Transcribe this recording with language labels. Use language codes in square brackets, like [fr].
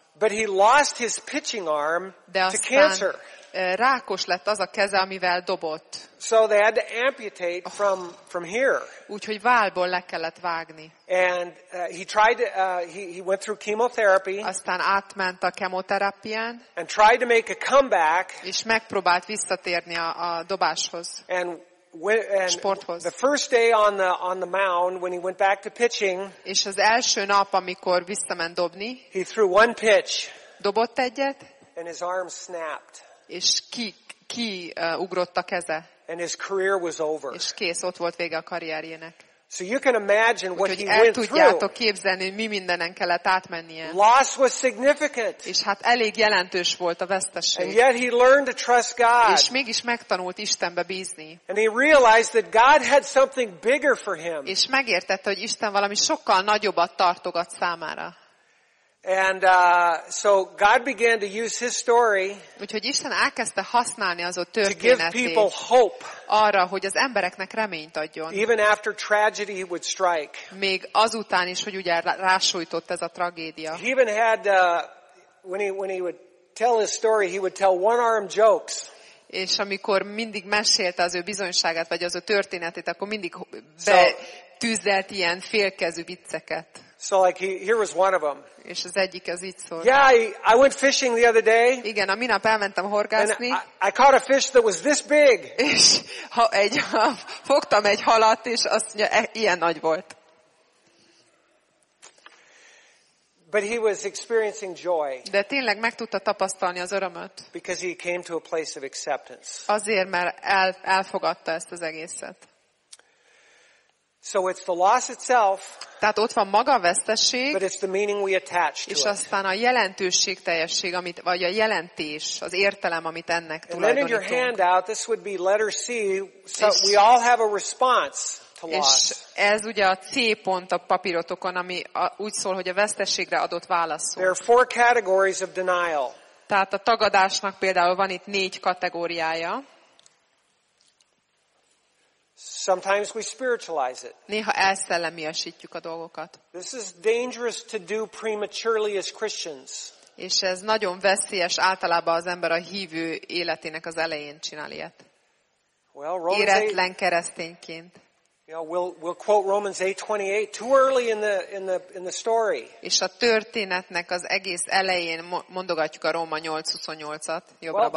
[en] But he lost his pitching arm to cancer. [hu] Rákos lett az a keze, amivel dobott. [en] So they had to amputate from here. [hu] Úgyhogy vállból le kellett vágni. [en] And he went through chemotherapy. [hu] Aztán átment a kemoterápián. [en] And tried to make a comeback. [hu] És megpróbált visszatérni a dobáshoz. [en] And [hu] sporthoz. [en] The first day on the mound when he went back to pitching. [hu] És az első nap, amikor visszament dobni. [en] He threw one pitch. [hu] Dobott egyet. [en] And his arm snapped. [hu] És ugrott a keze. [en] And his career was over. [hu] És kész, ott volt vége a karrierjének. [en] So you can imagine what he went through. [hu] Úgyhogy el tudjátok képzelni, hogy mi mindenen kellett átmennie. [en] Loss was significant. [hu] És hát elég jelentős volt a veszteség. [en] And yet he learned to trust God. [hu] És mégis megtanult Istenbe bízni. [en] And he realized that God had something bigger for him. [hu] És megértette, hogy Isten valami sokkal nagyobbat tartogat számára. [en] And so God began to use his story. [hu] Úgyhogy Isten elkezdte használni az ő történetét. [en] To give people hope. [hu] Arra, hogy az embereknek reményt adjon. [en] Even after tragedy would strike. [hu] Még azután is, hogy ugye rásújtott ez a tragédia. [en] He even had when he would tell his story, he would tell one-arm jokes. [hu] És amikor mindig mesélte az ő bizonyságát vagy az ő történetét, akkor mindig tűzelt ilyen félkezű vicceket. [en] So like here was one of them. [hu] És az egyik az így szólt. [en] Yeah, I went fishing the other day. [hu] Igen, a minap elmentem horgászni. [en] I caught a fish that was this big. [hu] És fogtam egy halat, és azt mondja, ilyen nagy volt. [en] But he was experiencing joy. [hu] De tényleg meg tudta tapasztalni az örömöt. [en] Because he came to a place of acceptance. [hu] Azért, mert elfogadta ezt az egészet. [en] So it's the loss itself. [hu] Tehát ott van maga a veszteség. [en] But it's the meaning we attach to it. [hu] És aztán a jelentőség teljesség, amit vagy a jelentés, az értelem, amit ennek tulajdonítunk. [en] And then in your handout, this would be letter C. So we all have a response to loss. [hu] És ez ugye a C pont a papírotokon, ami úgy szól, hogy a veszteségre adott válaszunk. [en] There are four categories of denial. [hu] Tehát a tagadásnak például van itt négy kategóriája. [en] Sometimes we spiritualize it. [hu] Néha elszellemiesítjük a dolgokat. [en] This is dangerous to do prematurely as Christians. [hu] És ez nagyon veszélyes általában az ember a hívő életének az elején csinál ilyet. [en] Well, [hu] éretlen keresztényként. [en] Yeah, we'll quote Romans 8:28 too early in the story. [hu] És a történetnek az egész elején mondogatjuk a Róma 8:28-at jobbra-balra.